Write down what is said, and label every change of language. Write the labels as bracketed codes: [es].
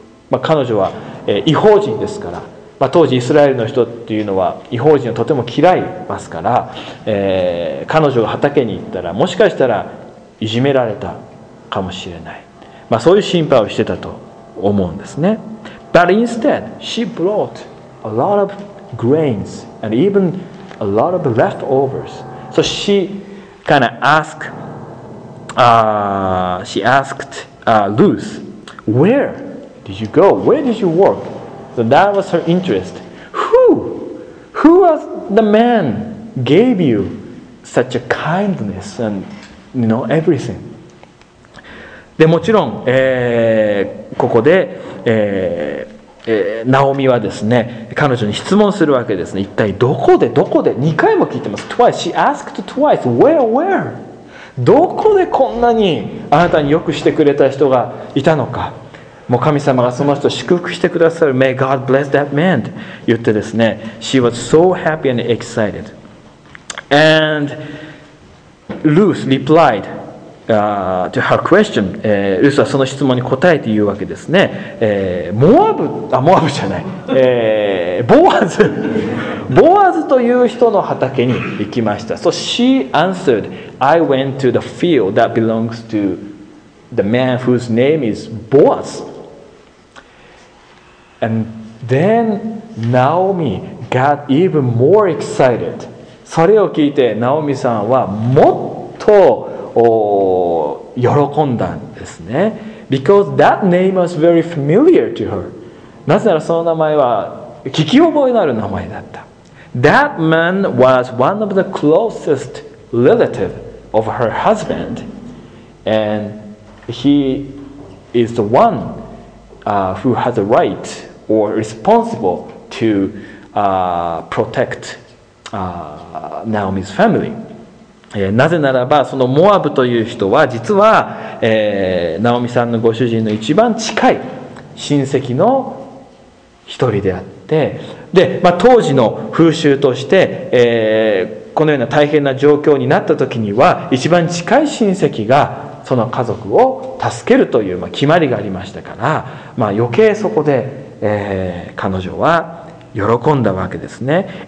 [ja] まあ、彼女は、異邦人ですから、まあ、当時イスラエルの人っていうのは異邦人をとても嫌いますから、彼女が畑に行ったらもしかしたらいじめられたかもしれない。まあ、そういう心配をしてたと思うんですね。 [en] But instead, she brought a lot of grains and even a lot of leftovers. So she kind of asked Ruth, where did you go? Where did you work? So that was her interest. Who was the man gave you such a kindness and, you know, everything? [ja] でもちろん、ここで、ナオミはですね、彼女に質問するわけですね。一体どこで、どこで、2回も聞いてます。 [en] Twice. She asked twice. Where, where? [ja] どこでこんなにあなたによくしてくれた人がいたのか。もう神様がその人を祝福してくださる。 [en] May God bless that man. [ja] 言ってですね、 [en] She was so happy and excited. And Ruth replied,to her question, [ja] ルースはその質問に答えて言うわけですね。モアブじゃない、ボアズボアズという人の畑に行きました。 [en] So she answered, I went to the field that belongs to the man whose name is Boaz. And then Naomi got even more excited. [ja] それを聞いてナオミさんはもっと喜んだんですね。 [en] Because that name was very familiar to her. [ja] なぜならその名前は聞き覚えのある名前だった。 [en] That man was one of the closest relative of her husband, and he is the one who has a right or responsible to protect Naomi's family. [ja] なぜならばそのモアブという人は実は、ナオミさんのご主人の一番近い親戚の一人であって、で、まあ、当時の風習として、このような大変な状況になった時には一番近い親戚がその家族を助けるという決まりがありましたから、まあ、余計そこで、彼女は喜んだわけですね。